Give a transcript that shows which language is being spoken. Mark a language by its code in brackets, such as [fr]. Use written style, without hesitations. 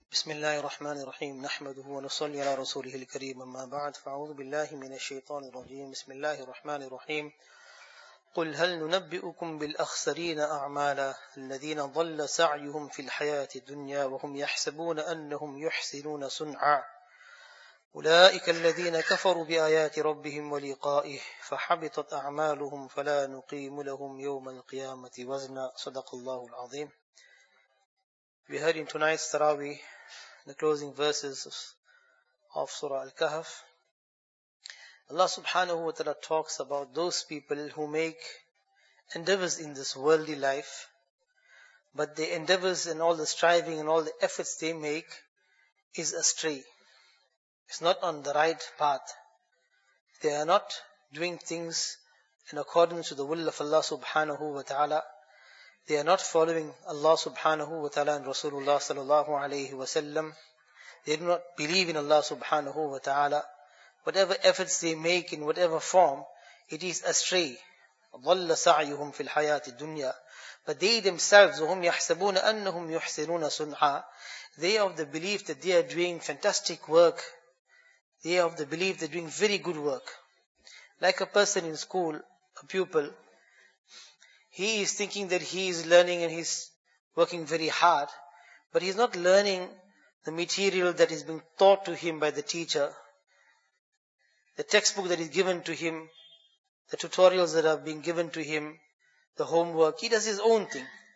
[ar] بسم الله الرحمن الرحيم نحمده ونصلي على رسوله الكريم اما بعد فاعوذ بالله من الشيطان الرجيم بسم الله الرحمن الرحيم قل هل ننبئكم بالاخسرين اعمالا الذين ضل سعيهم في الحياه الدنيا وهم يحسبون انهم يحسنون صنعا اولئك الذين كفروا بايات ربهم ولقائه فحبطت اعمالهم فلا نقيم لهم يوم القيامه وزنا صدق الله العظيم. [en] We heard in tonight's Tarawih the closing verses of Surah Al-Kahf. Allah subhanahu wa ta'ala talks about those people who make endeavors in this worldly life, but the endeavors and all the striving and all the efforts they make is astray. It's not on the right path. They are not doing things in accordance with the will of Allah subhanahu wa ta'ala. They are not following Allah subhanahu wa ta'ala and Rasulullah sallallahu alayhi wa sallam. They do not believe in Allah subhanahu wa ta'ala. Whatever efforts they make in whatever form, it is astray. [ar] ضل سعيهم في الحياة الدنيا. [en] But they themselves, [ar] وهم يحسبون أنهم يحسنون صنعا. [en] They are of the belief that they are doing fantastic work. They are of the belief they are doing very good work. Like a person in school, a pupil, he is thinking that he is learning and he is working very hard, but he is not learning the material that is being taught to him by the teacher, the textbook that is given to him, the tutorials that are being given to him, the homework. He does his own thing.